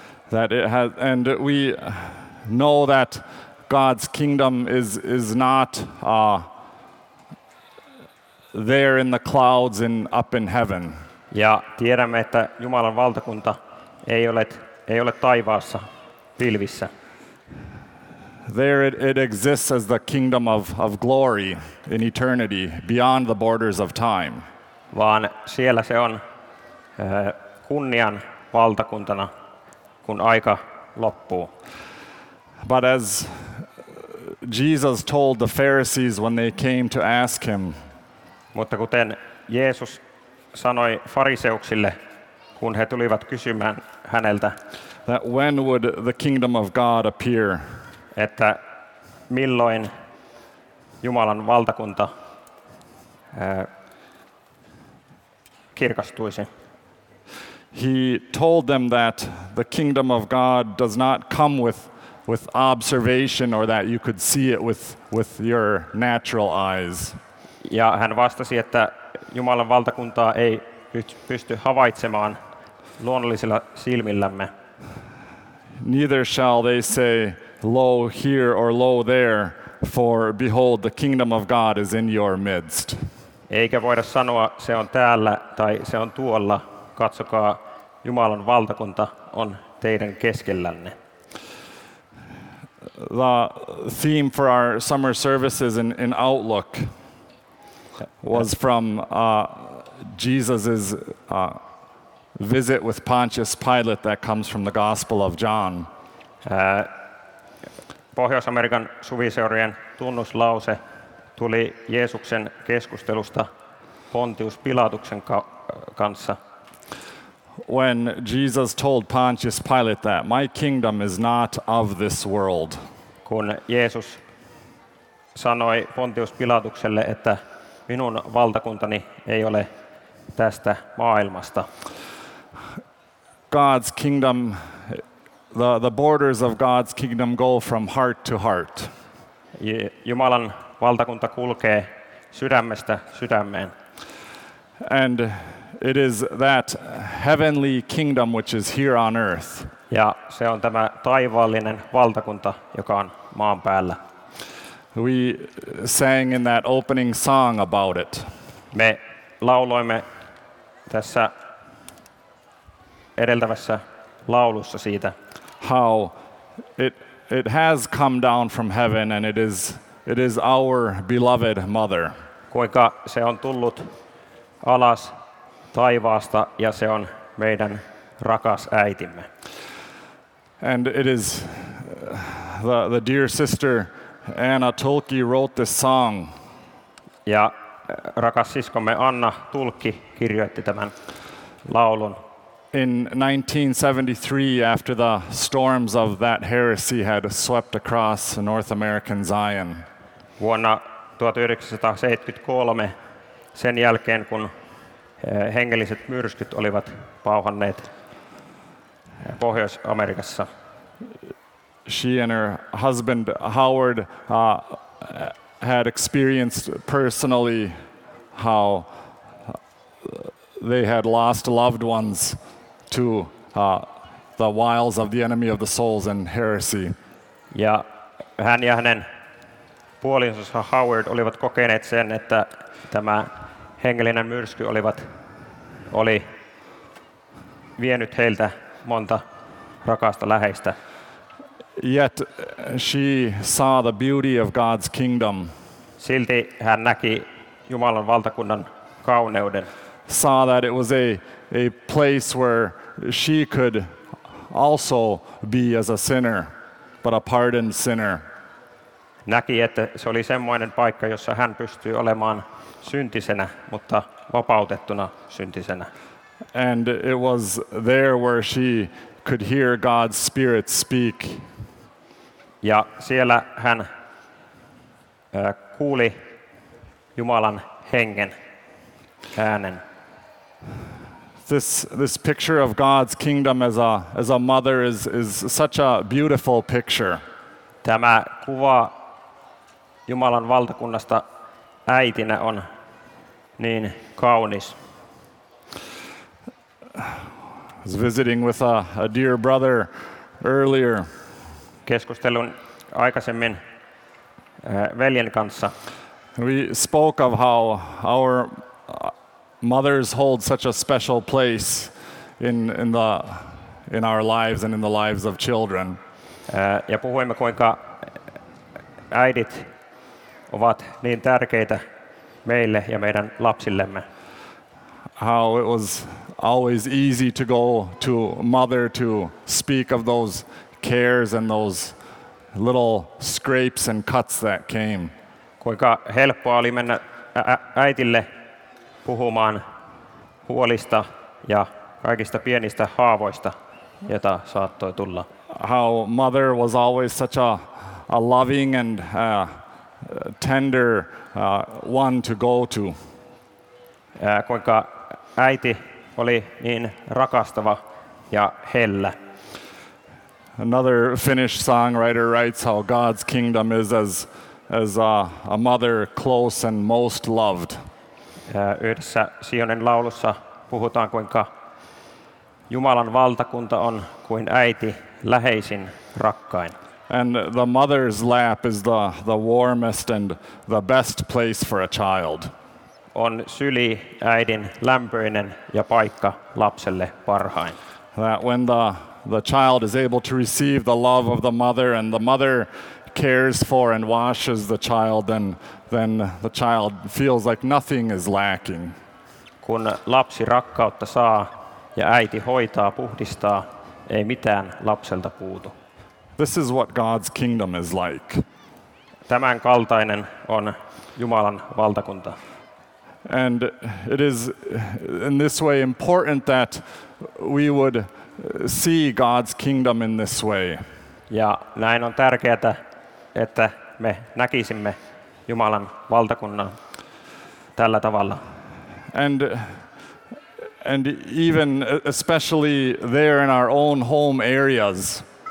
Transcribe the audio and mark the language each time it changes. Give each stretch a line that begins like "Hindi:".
English: That it has, and we know that God's kingdom is not there in the clouds and up in heaven.
Finnish: Ja tiedämme, että Jumalan valtakunta ei ole taivaassa pilvissä.
English: There it exists as the kingdom of glory in eternity beyond the borders of time.
Finnish: Vaan siellä se on kunnian valtakuntana, kun aika loppuu.
English: But as Jesus told the Pharisees when they came to ask him,
Finnish: mutta kuten Jeesus sanoi fariseuksille, kun he tulivat kysymään häneltä,
English: that when would the kingdom of God appear,
Finnish: että milloin Jumalan valtakunta kirkastuisi.
English: He told them that the kingdom of God does not come with observation or that you could see it with your natural eyes.
Finnish: Ja hän vastasi, että Jumalan valtakuntaa ei pysty havaitsemaan luonnollisilla silmillämme.
English: Neither shall they say, lo here or lo there, for behold, the kingdom of God is in your midst.
Finnish: Eikä voida sanoa, se on täällä tai se on tuolla. Katsokaa, Jumalan valtakunta on teidän keskellänne.
English: The theme for our summer services in Outlook was from Jesus's visit with Pontius Pilate that comes from the Gospel of John.
Finnish: Pohjois-Amerikan suviseurien tunnuslause tuli Jeesuksen keskustelusta Pontius Pilatuksen kanssa.
English: When Jesus told Pontius Pilate that my kingdom is not of this world.
Finnish: Kun Jeesus sanoi Pontius Pilatukselle, että minun valtakuntani ei ole tästä maailmasta.
English: God's kingdom, the borders of God's kingdom go from heart to heart.
Finnish: Jumalan valtakunta kulkee sydämestä sydämeen.
English: And it is that heavenly kingdom which is here on earth.
Finnish: Ja se on tämä taivaallinen valtakunta, joka on maan päällä.
English: We sang in that opening song about it.
Finnish: Me lauloimme tässä edeltävässä laulussa siitä.
English: How it has come down from heaven and it is our beloved mother.
Finnish: Kuinka se on tullut alas taivaasta ja se on meidän rakas äitimme.
English: And it is the dear sister Anna Tulkki wrote this song.
Finnish: Ja rakas siskomme Anna Tulkki kirjoitti tämän laulun.
English: In 1973, after the storms of that heresy had swept across North American Zion.
Finnish: Vuonna 1973, sen jälkeen kun hengelliset myrskyt olivat pauhanneet Pohjois-Amerikassa.
English: She and her husband Howard had experienced personally how they had lost loved ones to the wiles of the enemy of the souls and heresy.
Finnish: Ja hän ja hänen puolisonsa Howard olivat kokeneet sen, että tämä hengellinen myrsky oli vienyt heiltä monta rakasta läheistä.
English: Yet she saw the beauty of God's kingdom.
Finnish: Silti hän näki Jumalan valtakunnan kauneuden.
English: Saw that it was a place where she could also be as a sinner, but a pardoned sinner.
Finnish: Näki, että se oli semmoinen paikka, jossa hän pystyy olemaan syntisenä, mutta vapautettuna syntisenä.
English: And it was there where she could hear God's Spirit speak.
Finnish: Ja siellä hän kuuli Jumalan hengen äänen.
English: This picture of God's kingdom as a mother is such a beautiful picture.
Finnish: Tämä kuva Jumalan valtakunnasta äitinä on niin kaunis.
English: I was visiting with a dear brother earlier.
Finnish: Keskustelun aikaisemmin veljen kanssa.
English: We spoke of how our mothers hold such a special place in our lives and in the lives of children.
Finnish: Ja puhuimme, kuinka äidit ovat niin tärkeitä meille ja meidän lapsillemme.
English: How it was always easy to go to mother to speak of those cares and those little scrapes and cuts that came.
Finnish: Kuinka helppoa oli mennä äitille puhumaan huolista ja kaikista pienistä haavoista, joita saattoi tulla.
English: How mother was always such a loving and tender one to go to.
Finnish: Kuinka äiti oli niin rakastava ja hellä.
English: Another Finnish songwriter writes how God's kingdom is as a mother close and most loved.
Finnish: Yhdessä Sionin laulussa puhutaan, kuinka Jumalan valtakunta on kuin äiti läheisin rakkain.
English: And the mother's lap is the warmest and the best place for a child.
Finnish: on syli äidin lämpöinen ja paikka lapselle parhain.
English: That when the child is able to receive the love of the mother and the mother cares for and washes the child, then the child feels like nothing is lacking.
Finnish: Kun lapsi rakkautta saa ja äiti hoitaa, puhdistaa, ei mitään lapselta puutu.
English: This is what God's kingdom is like.
Finnish: Tämän kaltainen on Jumalan valtakunta.
English: And it is in this way important that we would see God's kingdom in this way.
Finnish: Ja näin on tärkeää, että me näkisimme Jumalan valtakunnan tällä tavalla.
English: And even especially there in our own home areas.